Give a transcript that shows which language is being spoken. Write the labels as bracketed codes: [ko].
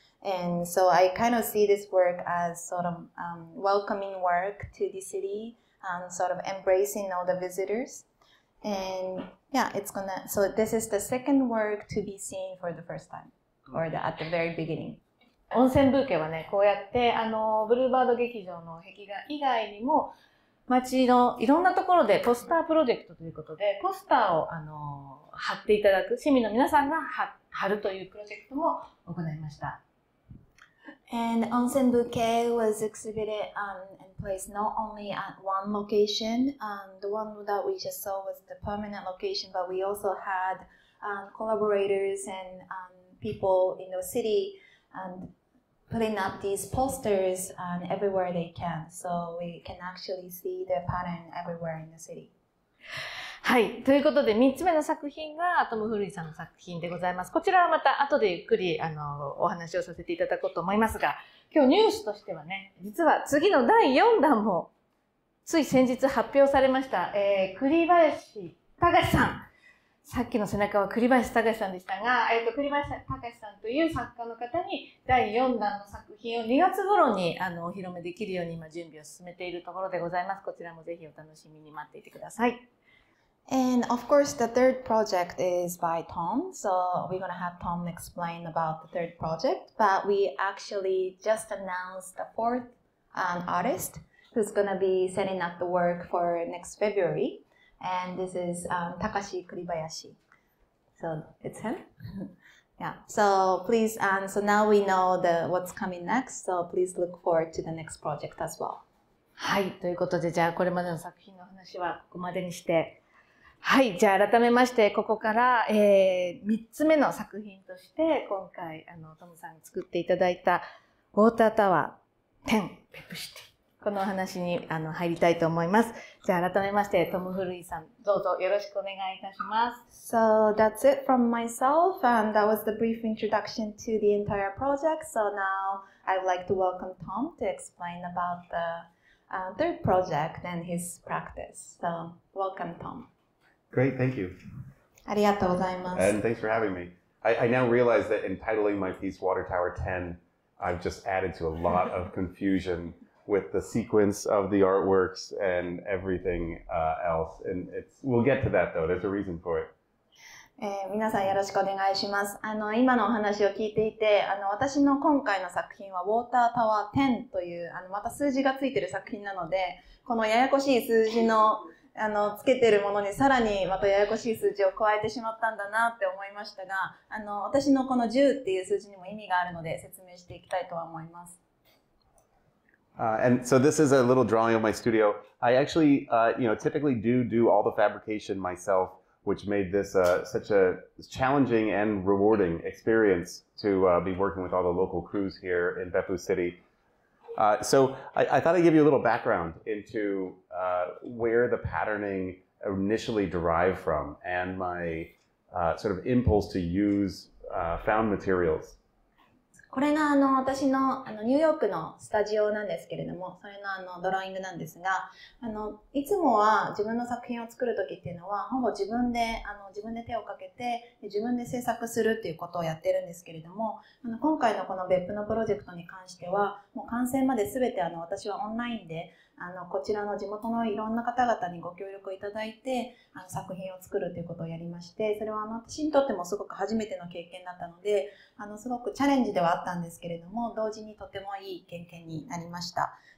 [en] And so I kind of see this work as sort of welcoming work to the city, sort of embracing all the visitors. And yeah, so this is the second work to be seen for the first time, or at the very beginning. [ja] 温泉ブーケはね、こうやってブルーバード劇場の壁画以外にも、街のいろんなところでポスタープロジェクトということで、ポスターを貼っていただく、市民の皆さんが貼るというプロジェクトも行いました。 [en] And Onsen Bouquet was exhibited and placed not only at one location. The one that we just saw was the permanent location, but we also had collaborators and people in the city and putting up these posters everywhere they can. So we can actually see the pattern everywhere in the city. [ja] はい。ということで、3つ目の作品がトム・フリーさんの作品でございます。こちらはまた後でゆっくりお話をさせていただこうと思いますが、今日ニュースとしてはね、実は次の第4弾もつい先日発表されました。栗林隆史さん。さっきの背中は栗林隆史さんでしたが、栗林隆史さんという作家の方に第4弾の作品を2月頃にお披露目できるように今準備を進めているところでございます。こちらもぜひお楽しみに待っていてください。 [en] And of course, the third project is by Tom. So we're going to have Tom explain about the third project. But we actually just announced the fourth artist who's going to be setting up the work for next February. And this is Takashi Kuribayashi. So it's him. Yeah. So please, so now we know what's coming next. So please look forward to the next project as well. [ja] はい。ということで、じゃあこれまでの作品の話はここまでにして、はい。じゃあ、改めまして、ここから、3つ目の作品として、今回、トムさんに作っていただいた、ウォータータワー10、ペプシティ。このお話に、入りたいと思います。じゃあ、改めまして、トム・フルイさん、どうぞよろしくお願いいたします。 [en] So, that's it from myself, and that was the brief introduction to the entire project. So now, I'd like to welcome Tom to explain about the, third project and his practice. So, welcome, Tom. Great, thank you. [ja] ありがとうございます。 [en] And thanks for having me. I now realize that in titling my piece Water Tower 10, I've just added to a lot of confusion with the sequence of the artworks and everything else. And it's, we'll get to that though, there's a reason for it. [ja] 皆さんよろしくお願いします。今のお話を聞いていて、私の今回の作品は Water Tower 10という、また数字がついている作品なので、このややこしい数字のつけてるものにさらにまたややこしい数字を加えてしまったんだなって思いましたが、私のこの10っていう数字にも意味があるので説明していきたいとは思います。 [en] And so this is a little drawing of my studio. I actually, you know, typically do all the fabrication myself, which made this such a challenging and rewarding experience to be working with all the local crews here in Beppu City. So I thought I'd give you a little background into where the patterning initially derived from and my sort of impulse to use found materials. [ja] これが私のニューヨークのスタジオなんですけれども、それのドローイングなんですが、いつもは自分の作品を作るときっていうのは、ほぼ自分で手をかけて、自分で制作するっていうことをやってるんですけれども、今回のこの別府のプロジェクトに関しては、もう完成まで全て私はオンラインで、こちらの地元のいろんな方々にご協力いただいて作品を作るということをやりまして、それは私にとってもすごく初めての経験だったので、すごくチャレンジではあったんですけれども、同時にとてもいい経験になりました。